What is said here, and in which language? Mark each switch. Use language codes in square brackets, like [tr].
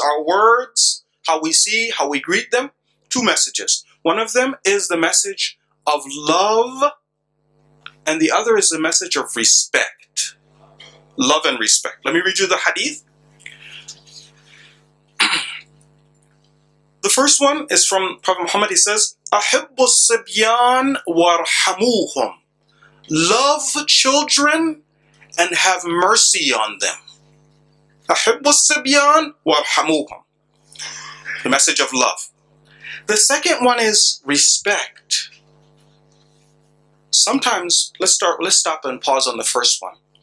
[en] Our words, how we see, how we greet them? Two messages. One of them is the message of love, and the other is the message of respect. Love and respect. Let me read you the hadith. The first one is from Prophet Muhammad. [ar] He says, أَحِبُّ الصِّبْيَانِ وَارْحَمُوهُمْ. [en] Love children and have mercy on them. أَحِبُّ الصِّبْيَانِ وَارْحَمُوهُمْ. The message of love. The second one is respect. Sometimes, let's stop and pause on the first one.